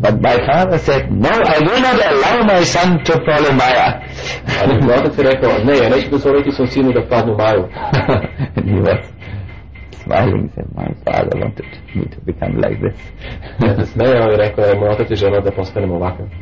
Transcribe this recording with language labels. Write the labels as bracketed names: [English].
[English] But my father said, no, I will not allow my son to fall in Maya. [Serbian] A neki otac je rekao, ne, ja neću dozvoliti svom sinu da padne u Maju. [English] And he was smiling, he said, my father wanted me to become like this. [Serbian] Smejao je, rekao je, moj otac je želeo da postanem ovakav.